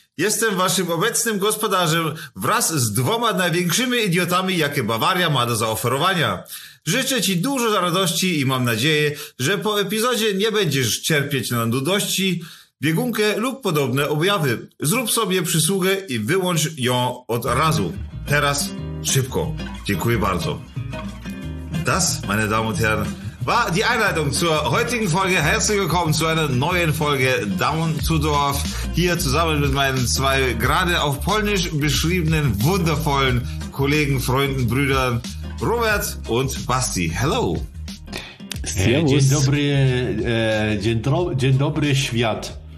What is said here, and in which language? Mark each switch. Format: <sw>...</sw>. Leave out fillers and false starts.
<pl>Jestem waszym obecnym gospodarzem wraz z dwoma największymi idiotami, jakie Bawaria ma do zaoferowania. Życzę ci dużo radości i mam nadzieję, że po epizodzie nie będziesz cierpieć na nudości, biegunkę lub podobne objawy. Zrób sobie przysługę i wyłącz ją od razu. Teraz szybko. Dziękuję bardzo.</pl> <de>Das, meine Damen und Herren, war die Einleitung zur heutigen Folge. Herzlich willkommen zu einer neuen Folge Down to Dorf. Hier zusammen mit meinen zwei gerade auf Polnisch beschriebenen wundervollen Kollegen, Freunden, Brüdern Robert und Basti.</de> <en>Hello.</en> <de>Servus.</de> <pl>Dzień dobry, dzień dobry świat.</pl>